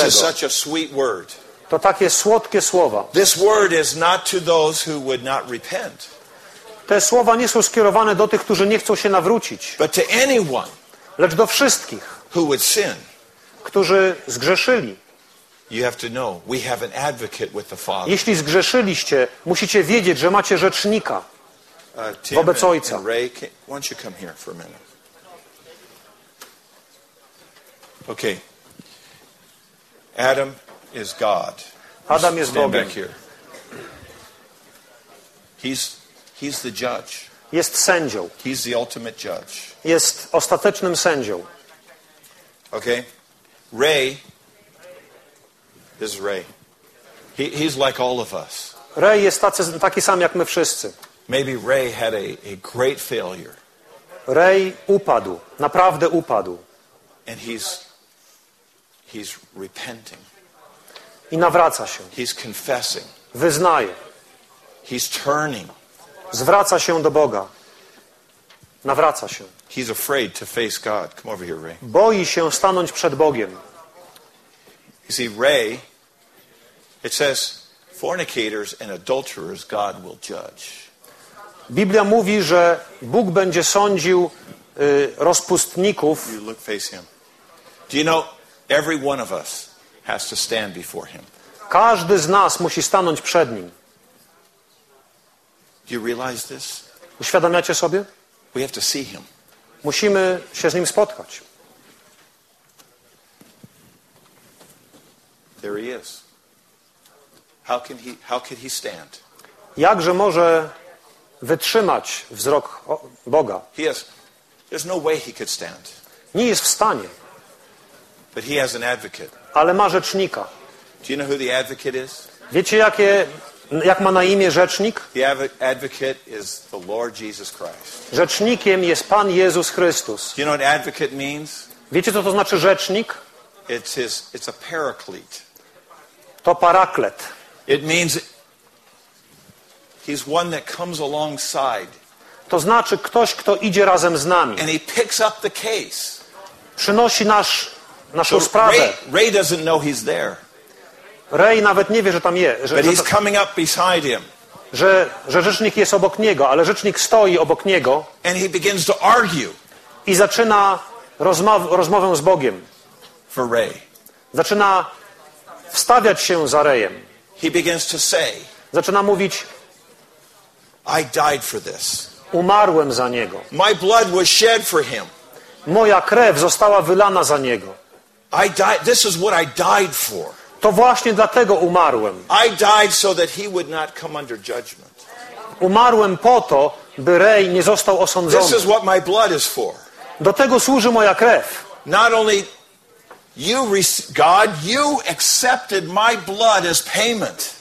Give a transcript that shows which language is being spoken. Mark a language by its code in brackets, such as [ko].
[en] This is such a sweet word. [pl] To takie słodkie słowa. [en] This word is not to those who would not repent. [pl] Te słowa nie są skierowane do tych, którzy nie chcą się nawrócić. [en] But to anyone. [pl] Lecz do wszystkich. [en] Who would sin. [pl] Którzy zgrzeszyli. [en] You have to know, we have an advocate with the Father. [pl] Jeśli zgrzeszyliście, musicie wiedzieć, że macie rzecznika wobec Ojca. [en] And Ray, why don't you come here for a minute? Okay. Adam is God. [pl] Adam jest Bogiem. [en] Back here. He's the judge. [pl] Jest sędzią. [en] He's the ultimate judge. [pl] Jest ostatecznym sędzią. [en] Okay. Ray is Ray. He's like all of us. [pl] Ray jest taki sam jak my wszyscy. [en] Maybe Ray had a great failure. [pl] Ray upadł, naprawdę upadł. [en] And He's repenting. [pl] I nawraca się. [en] He's confessing. [pl] Wyznaje. [en] He's turning. [pl] Zwraca się do Boga. Nawraca się. [en] He's afraid to face God. Come over here, Ray. [pl] Boi się stanąć przed Bogiem. [en] You see, Ray, it says, fornicators and adulterers God will judge. [pl] Biblia mówi, że Bóg będzie sądził rozpustników. [en] You look face him. Do you know? Every one of us has to stand before him. [pl] Każdy z nas musi stanąć przed nim. [en] Do you realize this? [pl] Uświadamiacie sobie? [en] We have to see him. [pl] Musimy się z nim spotkać. [en] There he is. How could he stand? [pl] Jakże może wytrzymać wzrok Boga? [en] He is. There's no way he could stand. [pl] Nie jest w stanie. [en] But he has an advocate. [pl] Ale ma rzecznika. [en] Do you know who the advocate is? [pl] Wiecie, jak ma na imię rzecznik? [en] The advocate is the Lord Jesus Christ. [pl] Rzecznikiem jest Pan Jezus Chrystus. [en] Do you know what advocate means? [pl] Wiecie, co to znaczy rzecznik? [en] It's a paraclete. [pl] To paraklet. [en] It means he's one that comes alongside. [pl] To znaczy ktoś, kto idzie razem z nami. [en] And he picks up the case. [pl] Przynosi naszą sprawę. [en] Ray doesn't know he's there. [pl] Ray nawet nie wie, że tam jest. [en] But he's coming up beside him. [pl] Że rzecznik jest obok niego, ale rzecznik stoi obok niego. [en] And he begins to argue. [pl] I zaczyna rozmowę z Bogiem. [en] For Ray. [pl] Zaczyna wstawiać się za Rayem. [en] He begins to say. [pl] Zaczyna mówić. [en] I died for this. [pl] Umarłem za niego. [en] My blood was shed for him. [pl] Moja krew została wylana za niego. [en] I died, this is what I died for. [pl] To właśnie dlatego umarłem. [en] I died so that he would not come under judgment. [pl] Umarłem po to, by Ray nie został osądzony. [en] This is what my blood is for. [pl] Do tego służy moja krew. [en] Not only you, God, you accepted my blood as payment.